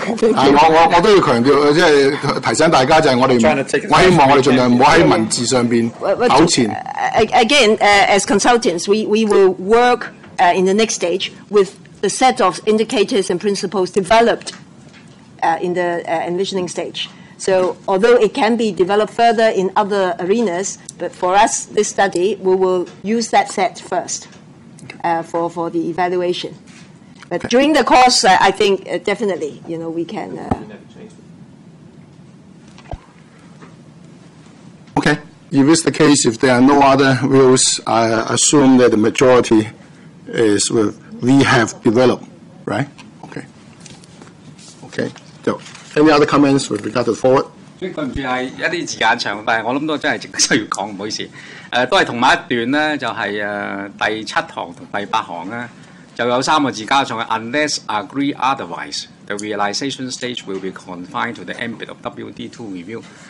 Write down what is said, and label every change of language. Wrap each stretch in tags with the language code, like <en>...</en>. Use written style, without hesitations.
<yue>我都要強調，即係提醒大家就係我哋，我希望我哋盡量唔好喺文字上邊糾纏。</yue> <en>Again, as consultants, we will work in the next stage with. The set of indicators and principles developed in the envisioning stage. So, although it can be developed further in other arenas, but for us, this study, we will use that set first for the evaluation. But okay. During the course, I think definitely, you know, we can. Okay. If it's the case, if there are no other rules, I assume that the majority is with. We have developed, right? Okay. Okay. So, any other comments with regard to the forward?</en> <yue>對唔住，係一啲字眼長，但係我諗都真係值得需要講，唔好意思。都係同埋一段咧，就係第七行同第八行咧，就有三個字加上</yue> <en>Unless agree otherwise, the realization stage will be confined to the ambit of WD2 review.</en>